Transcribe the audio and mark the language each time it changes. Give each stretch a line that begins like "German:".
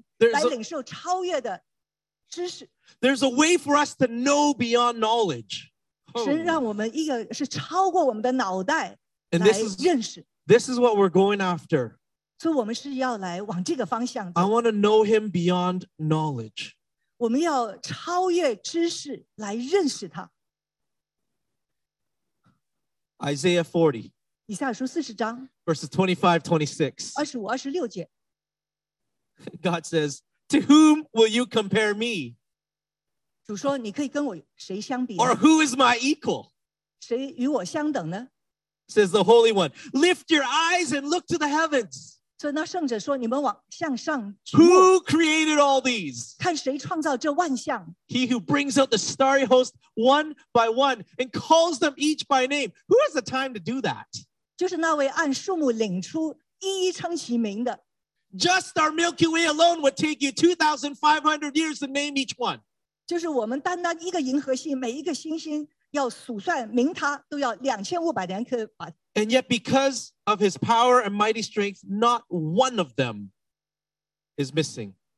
Chinese: 但是呢,这些的数字是超越我们的脑袋,但是神就是让我们来领受超越的知识。
English: There's a way for us to know beyond knowledge. Oh.
Chinese: 神让我们一个是超过我们的脑袋来认识。
English: This is what we're going after.
Chinese: 所以我们是要来往这个方向走。
English: I want to know him beyond knowledge.
Chinese: 我们要超越知识来认识他。
English: Isaiah 40.
Chinese: 以赛亚书40章,
English: verses 25-26. God says, to whom will you compare me?
Chinese: 主说,
English: or who is my equal?
Chinese: 谁与我相等呢?
English: says the Holy One. Lift your eyes and look to the heavens.
Chinese: 所以那圣者说,
English: who created all these? He who brings out the starry host one by one and calls them each by name. Who has the time to do that? Just our Milky Way alone would take you 2,500 years to name each one.
Chinese: 就是我们单单一个银河系每一个星星要数算名它都要2,500年可把。
English: And yet because of his power and mighty strength, not one of them is missing.